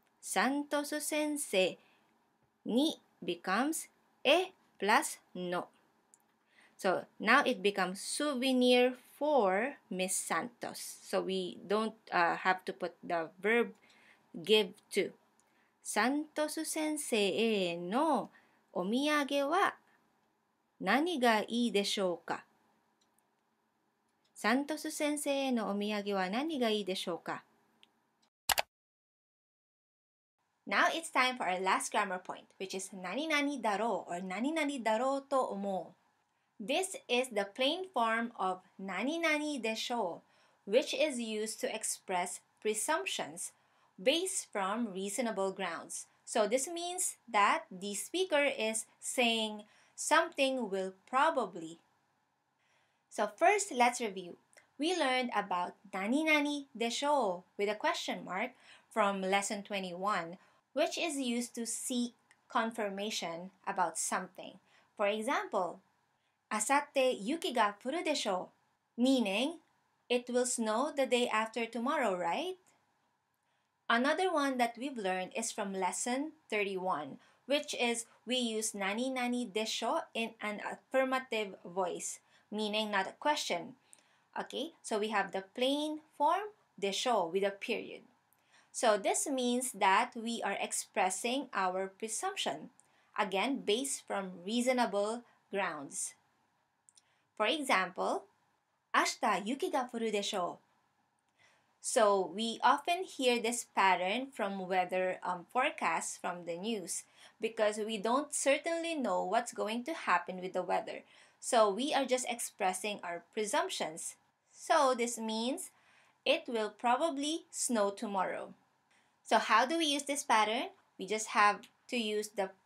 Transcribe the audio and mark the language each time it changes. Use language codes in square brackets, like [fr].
[ja] サントス先生に [en] becomes [ja] え [en] plus [ja] の。 [en] So now it becomes souvenir for Miss Santos. So we don't have to put the verb give to. [ja] サントス先生へのお土産は何がいいでしょうか? サントス先生へのお土産は何がいいでしょうか? [en] Now it's time for our last grammar point, which is 何々だろう or 何々だろうと思う. This is the plain form of 何々でしょう, which is used to express presumptions based from reasonable grounds. So this means that the speaker is saying something will probably. So first, let's review. We learned about 何々でしょう with a question mark from lesson 21. Which is used to seek confirmation about something. For example, [ja] 明後日雪が降るでしょう? [en] Meaning, it will snow the day after tomorrow, right? Another one that we've learned is from lesson 31, which is we use 何々でしょう in an affirmative voice, meaning not a question. Okay, so we have the plain form でしょう with a period. So this means that we are expressing our presumption, again, based from reasonable grounds. For example, [ja] 明日雪が降るでしょう。 [en] So we often hear this pattern from weather forecasts from the news because we don't certainly know what's going to happen with the weather. So we are just expressing our presumptions. So this means it will probably snow tomorrow.So how do we use this pattern? We just have to use the